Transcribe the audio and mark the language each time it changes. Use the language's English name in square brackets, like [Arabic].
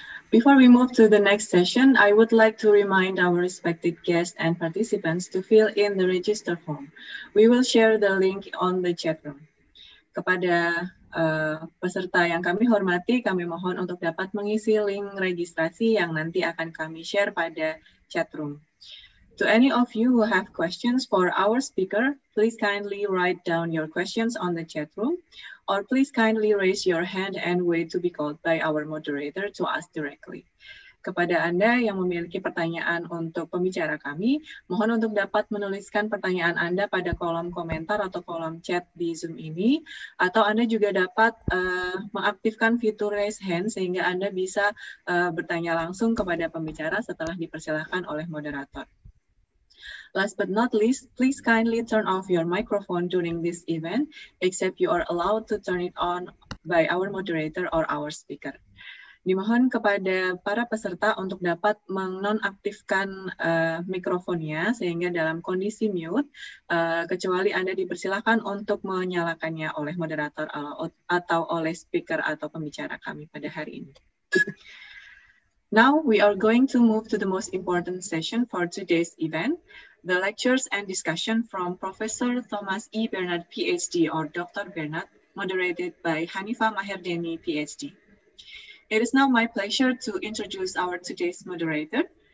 [English] Before we move to the next session, I would like to remind our respected guests and participants to fill in the register form. We will share the link on the chat room. [Indonesian] Kepada peserta yang kami hormati, kami mohon untuk dapat mengisi link registrasi yang nanti akan kami share pada chat room. [English] To any of you who have questions for our speaker, please kindly write down your questions on the chat room, or please kindly raise your hand and wait to be called by our moderator to ask directly. [Indonesian] Kepada Anda yang memiliki pertanyaan untuk pembicara kami, mohon untuk dapat menuliskan pertanyaan Anda pada kolom komentar atau kolom chat di Zoom ini, atau Anda juga dapat mengaktifkan fitur raise hand sehingga Anda bisa bertanya langsung kepada pembicara setelah dipersilakan oleh moderator. [English] Last but not least, please kindly turn off your microphone during this event, except you are allowed to turn it on by our moderator or our speaker. [Indonesian] Dimohon kepada para peserta untuk dapat menonaktifkan mikrofonnya sehingga dalam kondisi mute, kecuali Anda dipersilakan untuk menyalakannya oleh moderator atau oleh speaker atau pembicara kami pada hari ini. [English] Now we are going to move to the most important session for today's event, the lectures and discussion from Professor Thomas E. Bernard, PhD, or Dr. Bernard, moderated by Hanifa Maher Denny, PhD. It is now my pleasure to introduce our today's moderator.